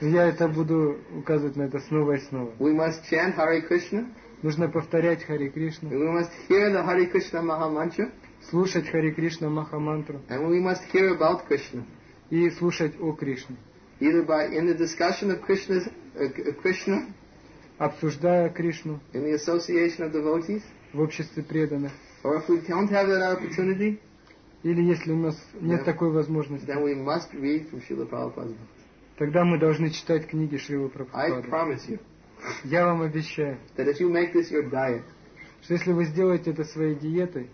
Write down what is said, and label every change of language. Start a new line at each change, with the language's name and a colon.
Russian: Я это буду указывать на это снова и снова.
English: We must chant Hare Krishna.
Russian: Нужно повторять Хари Кришну.
English: We must hear the Hare Krishna Mahamantra.
Russian: Слушать Хари Кришна Махамантру.
English: And we must hear about Krishna.
Russian: И слушать о Кришне.
English: Either by in the discussion of Krishna's, Krishna.
Russian: Обсуждая Кришну,
English: in the association of devotees,
Russian: в обществе преданных,
English: or if we don't have that opportunity,
Russian: или если у нас нет такой возможности,
English: then we must read from Srila Prabhupada's books.
Russian: Тогда мы должны читать книги Шрилы Прабхупады.
English: I promise you.
Russian: Я вам обещаю.
English: That if you make this your diet,
Russian: что если вы сделаете это своей диетой,